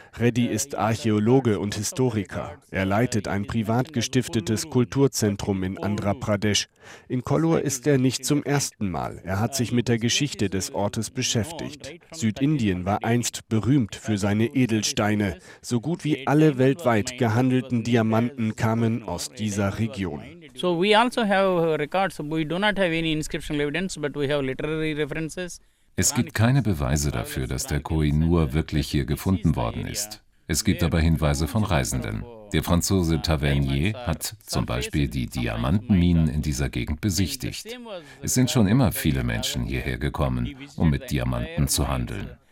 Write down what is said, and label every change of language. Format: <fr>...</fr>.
<de>Reddy ist Archäologe und Historiker. Er leitet ein privat gestiftetes Kulturzentrum in Andhra Pradesh. In Kollur ist er nicht zum ersten Mal. Er hat sich mit der Geschichte des Ortes beschäftigt. Südindien war einst berühmt für seine Edelsteine. So gut wie alle weltweit gehandelten Diamanten kamen aus dieser Region.</de> <en>So we also have records, we do not have any inscriptional evidence, but we have literary references.</en> <de>Es gibt keine Beweise dafür, dass der Koh-i-Noor wirklich hier gefunden worden ist. Es gibt aber Hinweise von Reisenden. Der Franzose Tavernier hat zum Beispiel die Diamantenminen in dieser Gegend besichtigt. Es sind schon immer viele Menschen hierher gekommen, um mit Diamanten zu handeln.</de>